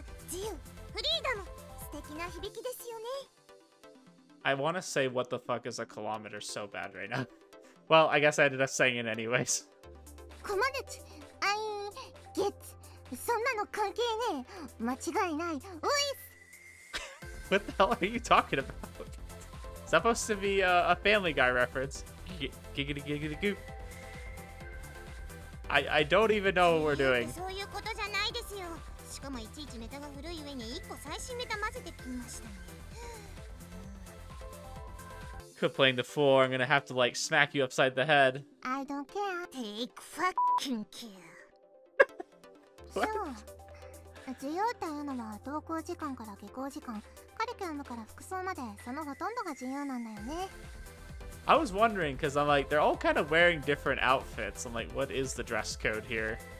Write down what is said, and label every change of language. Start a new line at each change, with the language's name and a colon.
Japanese: 自由、フリーダム、素敵な響きですよね。
English: I want to say what the fuck is a kilometer so bad right now. Well, I guess I ended up saying it anyways.
Japanese: コマネチ、アイン、ゲッツ、そんなの関係ねえ、間違いない、ウイス。
English: What the hell are you talking about? It's supposed to be a Family Guy reference. Giggity giggity goop. I don't even know what we're doing.
Japanese: そういうことじゃないですよ。しかもいちいちネタが古い上に1個最新ネタ混ぜてきましたね。
English: Quit playing the fool. I'm gonna have to like smack you upside the head. I don't care. Take fucking care.
Japanese: そう、授業っていうのは登校時間から下校時間、カリキュラムから服装まで、そのほとんどが自由なんだよね。
English: I was wondering, cause I'm like, they're all kind of wearing different outfits. I'm like, what is the dress code here?